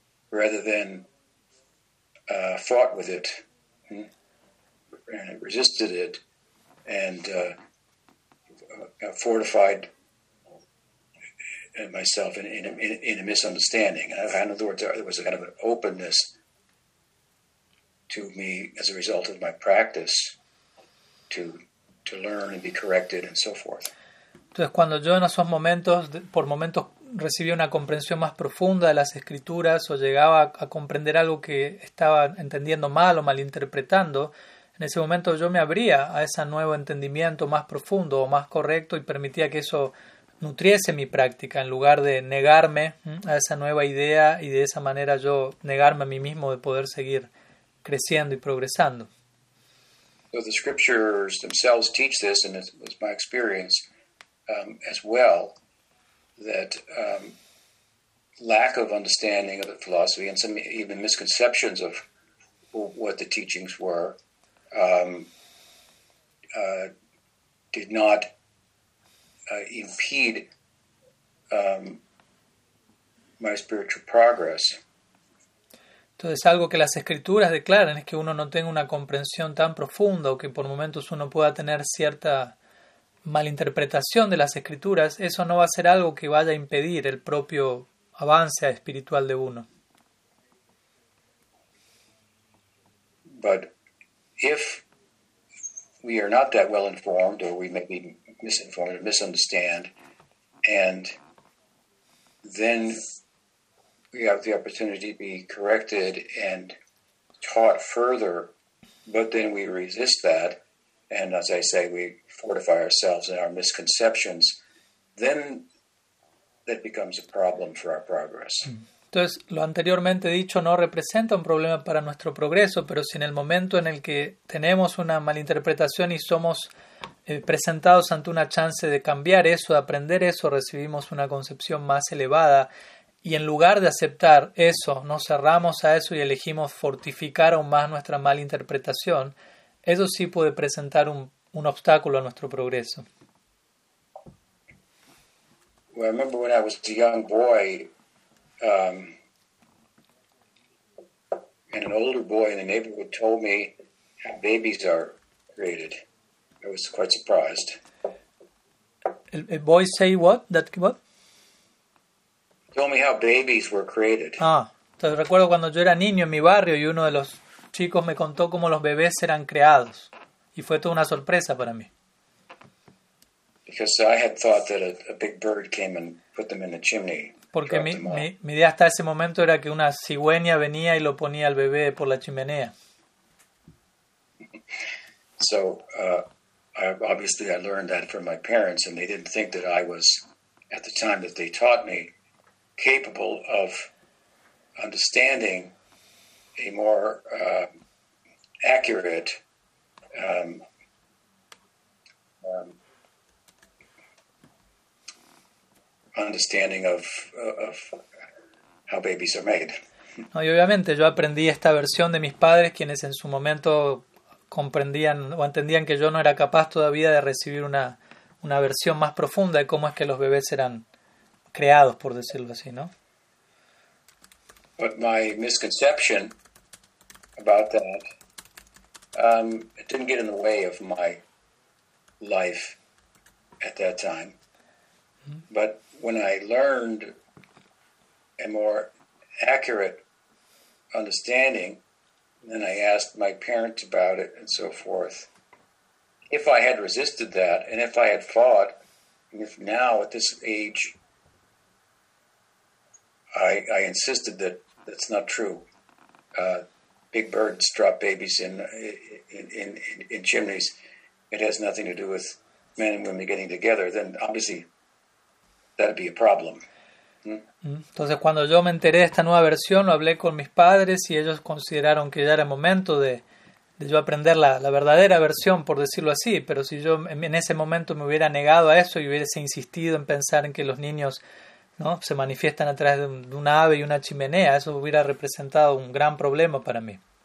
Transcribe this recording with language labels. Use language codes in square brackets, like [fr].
[en] rather than fought with it and resisted it and fortified myself in a misunderstanding. In other words, there was a kind of an openness to me as a result of my practice to learn and be corrected and so forth. [es] Entonces, cuando yo en esos momentos, por momentos, recibía una comprensión más profunda de las escrituras o llegaba a comprender algo que estaba entendiendo mal o malinterpretando, en ese momento yo me abría a ese nuevo entendimiento más profundo o más correcto y permitía que eso nutriese mi práctica en lugar de negarme a esa nueva idea y de esa manera yo negarme a mí mismo de poder seguir creciendo y progresando. [en] So the scriptures themselves teach this, and it was my experience as well, that lack of understanding of the philosophy and some even misconceptions of what the teachings were did not impede my spiritual progress. [es] Entonces, algo que las escrituras declaran es que uno no tenga una comprensión tan profunda o que por momentos uno pueda tener cierta malinterpretación de las escrituras, eso no va a ser algo que vaya a impedir el propio avance espiritual de uno. [en] But if we are not that well informed, or we may be misinformed or misunderstand, and then we have the opportunity to be corrected and taught further, but then we resist that, and as I say, we fortify ourselves in our misconceptions, then that becomes a problem for our progress. [es] Entonces, lo anteriormente dicho no representa un problema para nuestro progreso, pero si en el momento en el que tenemos una malinterpretación y somos presentados ante una chance de cambiar eso, de aprender eso, recibimos una concepción más elevada y en lugar de aceptar eso, nos cerramos a eso y elegimos fortificar aún más nuestra malinterpretación, eso sí puede presentar un obstáculo a nuestro progreso. [en] Well, I remember when I was a young boy, and an older boy in the neighborhood told me how babies are created. I was quite surprised. A boy say what? That what? Told me how babies were created. [es] Ah, entonces recuerdo cuando yo era niño en mi barrio y uno de los chicos me contó cómo los bebés eran creados y fue toda una sorpresa para mí. [en] Because I had thought that a big bird came and put them in the chimney. [es] Porque mi idea hasta ese momento era que una cigüeña venía y lo ponía al bebé por la chimenea. [en] So, obviously I learned that from my parents and they didn't think that I was, at the time that they taught me, capable of understanding a more accurate understanding of how babies are made. [es] No, y obviamente yo aprendí esta versión de mis padres, quienes en su momento comprendían o entendían que yo no era capaz todavía de recibir una versión más profunda de cómo es que los bebés eran creados, por decirlo así, ¿no? [en] But my misconception about that it didn't get in the way of my life at that time. But when I learned a more accurate understanding, then I asked my parents about it and so forth. If I had resisted that, and if I had fought, and if now at this age I insisted that that's not true, big birds drop babies in chimneys, it has nothing to do with men and women getting together, then obviously that'd be a problem. [es] Entonces, cuando yo me enteré de esta nueva versión, lo hablé con mis padres y ellos consideraron que ya era momento de yo aprender la verdadera versión, por decirlo así. Pero si yo en ese momento me hubiera negado a eso y hubiese insistido en pensar en que los niños, ¿no?, se manifiestan a través de una ave y una chimenea, eso hubiera representado un gran problema para mí.